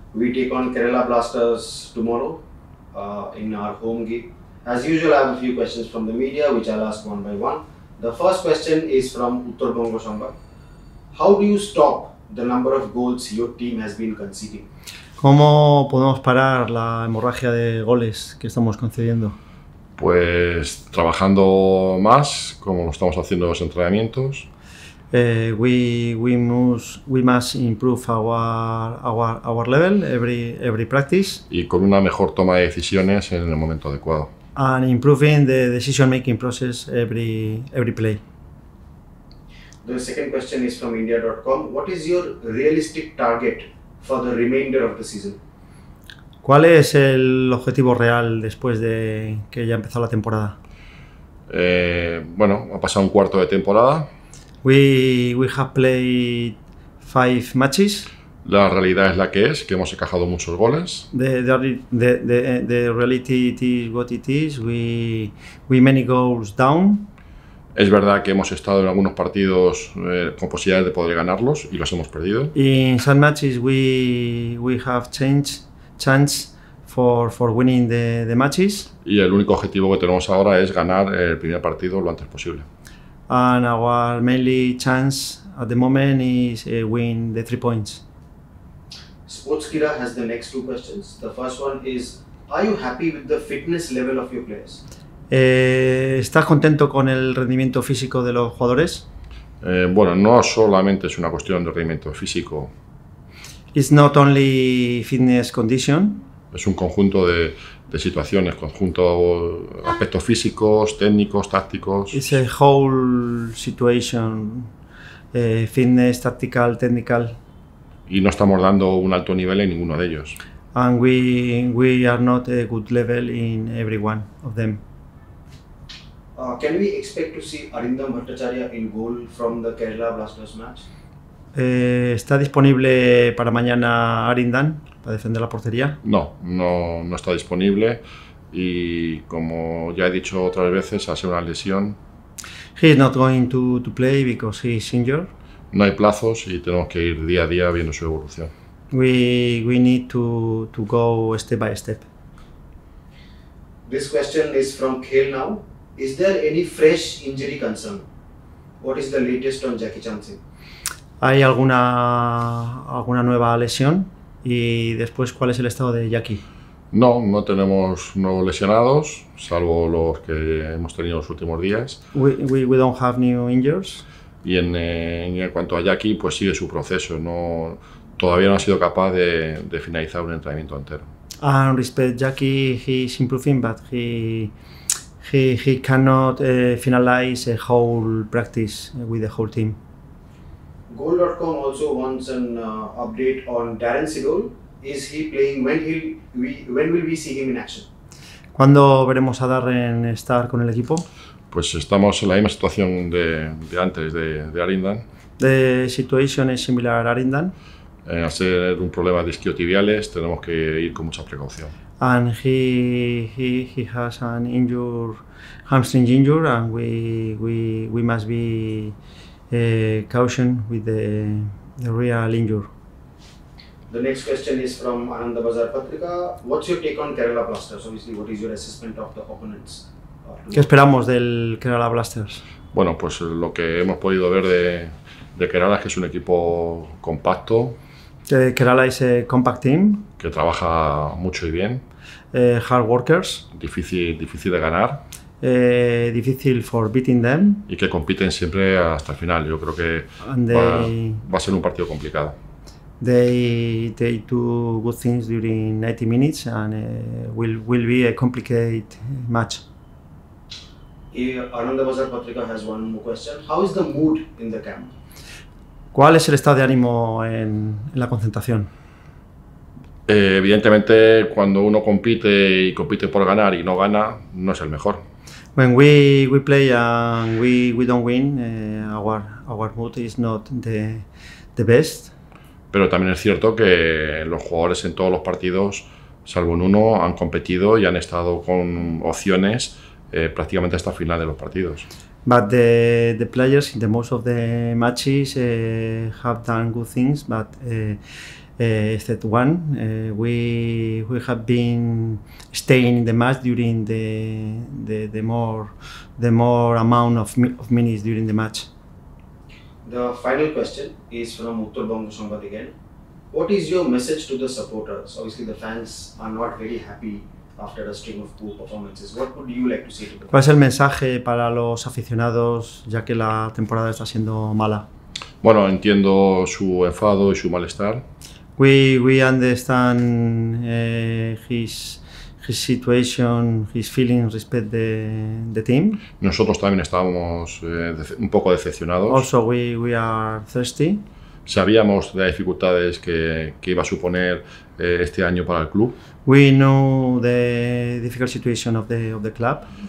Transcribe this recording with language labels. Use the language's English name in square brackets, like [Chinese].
[English] We take on Kerala Blasters tomorrow in our home game. As usual, I have a few questions from the media, which I'll ask one by one. The first question is from Uttar Bongo Shamba. How do you stop the number of goals your team has been conceding? [Spanish] ¿Cómo podemos parar la hemorragia de goles que estamos concediendo? Pues trabajando más, como lo estamos haciendo en los entrenamientos. [English] We must improve our level every practice. [Spanish] Y con una mejor toma de decisiones en el momento adecuado. [English] And improving the decision making process every play. The second question is from India.com. What is your realistic target for the remainder of the season? [Spanish] ¿Cuál es el objetivo real después de que ya empezó la temporada? Bueno, ha pasado un cuarto de temporada. [English] We have played 5 matches. [Spanish] La realidad es la que es, que hemos encajado muchos goles. [English] The reality is what it is. We many goals down. [Spanish] Es verdad que hemos estado en algunos partidos con posibilidades de poder ganarlos y los hemos perdido. [English] In some matches we have chance for winning the matches. [Spanish] Y el único objetivo que tenemos ahora es ganar el primer partido lo antes posible. [English] And our mainly chance at the moment is win the 3 points. Sportskira has the next 2 questions. The first one is, are you happy with the fitness level of your players? [Spanish] ¿Estás contento con el rendimiento físico de los jugadores? Bueno, no solamente es una cuestión de rendimiento físico. [English] It's not only fitness condition. [Spanish] Es un conjunto de situaciones, conjunto aspectos físicos, técnicos, tácticos. [English] It's a whole situation, fitness, tactical, technical. [Spanish] Y no estamos dando un alto nivel en ninguno de ellos. [English] And we are not a good level in every one of them. Can we expect to see Arindam Bhattacharya in goal from the Kerala Blasters match? [Spanish] ¿Está disponible para mañana Arindam para defender la portería? No está disponible y como ya he dicho otras veces, ha sido una lesión. [English] He is not going to play because he is injured. [Spanish] No hay plazos y tenemos que ir día a día viendo su evolución. [English] We need to go step by step. This question is from Khel now. Is there any fresh injury concern? What is the latest on Jackie Chan Singh? [Spanish] ¿Hay alguna nueva lesión? Y después, ¿cuál es el estado de Jackie? No tenemos nuevos lesionados, salvo los que hemos tenido los últimos días. [English] We don't have new injuries. [Spanish] Y en cuanto a Jackie, pues sigue su proceso. Todavía no ha sido capaz de finalizar un entrenamiento entero. [English] And respect Jackie, he's improving, but he cannot finalize a whole practice with the whole team. Goal.com also wants an update on Darren Seagull. Is he playing? When will we see him in action? [Spanish] ¿Cuándo veremos a Darren estar con el equipo? Pues estamos en la misma situación de antes de Arindam. [English] The situation is similar to Arindam. [Spanish] Al ser un problema de isquiotibiales, tenemos que ir con mucha precaución. [English] And he has an injury, hamstring injury, and we must be caution with the real injury. The next question is from Ananda Bazar Patrika. What's your take on Kerala Blasters? Obviously, what is your assessment of the opponents? [Spanish] ¿Qué esperamos del Kerala Blasters? Bueno, pues lo que hemos podido ver de Kerala es que es un equipo compacto. [English] Kerala [Spanish] es un [English] compact team. [Spanish] Que trabaja mucho y bien. [English] Hard workers. [Spanish] Difícil de ganar. Difícil [English] for beating them. [Spanish] Y que compiten siempre hasta el final. Yo creo que va a ser un partido complicado. [English] They do good things during 90 minutes and will be a complicated match. Ananda Bazar Patrika has one more question. How is the mood in the camp? [Spanish] ¿Cuál es el estado de ánimo en la concentración? Evidentemente, cuando uno compite y compite por ganar y no gana, no es el mejor. [English] When we play and we don't win, our mood is not the best. [Spanish] Pero también es cierto que los jugadores en todos los partidos, salvo en uno, han competido y han estado con opciones prácticamente hasta el final de los partidos. [English] But the players in the most of the matches have done good things, but except one, we have been staying in the match during the more amount of minutes during the match. The final question is from Uttar Bongo Sambad again. What is your message to the supporters? Obviously, the fans are not very happy after a string of poor performances. What would you like to say to them? [Spanish] ¿Cuál es el mensaje para los aficionados ya que la temporada está siendo mala? Bueno, entiendo su enfado y su malestar. [English] We understand his situation, his feelings respect the team. [Spanish] Nosotros también estábamos un poco decepcionados. [English] Also, we are thirsty. [Spanish] Sabíamos de las dificultades que iba a suponer este año para el club. [English] We know the difficult situation of the club.